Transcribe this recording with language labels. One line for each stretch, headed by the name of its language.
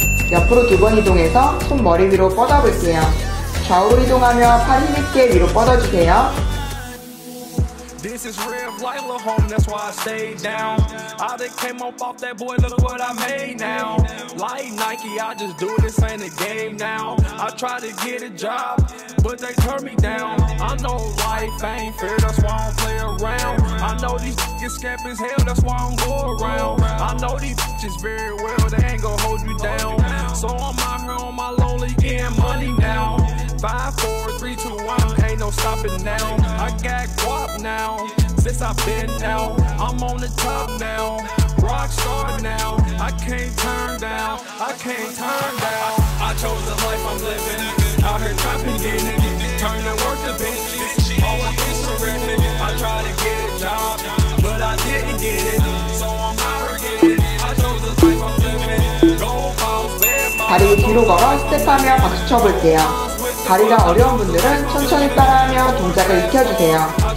Korean: 옆으로 두 번 이동해서 손 머리 위로 뻗어볼게요. 좌우로 이동하며 팔 힘있게 위로 뻗어주세요.
English: This is real life, little home, that's why I stay down. I just came up off that boy, look what I made now. Like Nike, I just do this, ain't a game now. I try to get a job, but they turn me down. I know life ain't fair, that's why I don't play around. I know these bitches scap as hell, that's why I don't go around. I know these bitches very well, they ain't gonna hold you down. So I'm out here on my lonely, getting money now. 5, 4, 3, 2, 1, ain't no stopping now. I got guap now, since I've been down. I'm on the top now, rockstar now. I can't turn down, I can't turn down. I chose the life I'm living, out here trapping, getting it. Turning work to bitches, all I get so ripping. I try to get a job, but I didn't get it. So I'm out here getting it. I chose the life I'm living, gold balls, red balls.
Korean: 다리 뒤로 걸어 스텝하며 박수 쳐볼게요. 다리가 어려운 분들은 천천히 따라하며 동작을 익혀주세요.